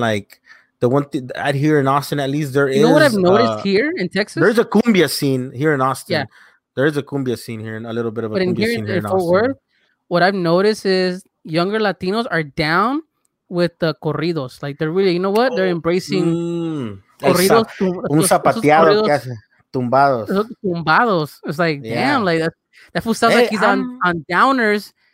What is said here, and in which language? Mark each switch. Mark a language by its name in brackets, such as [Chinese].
[English] Like the one thing out here in Austin, at least there you is. You know what I've noticed here in Texas? There's a cumbia scene here in Austin. Yeah. There is a cumbia scene here and a little bit of a cumbia scene here in Austin. Worth, what I've noticed is younger Latinos are down with the corridos. Like, they're really, you know what? They're embracing corridos. [Spanish] Un zapateado que hace tumbados. [English] It's like, damn. Like, that fool sounds like he's on downers.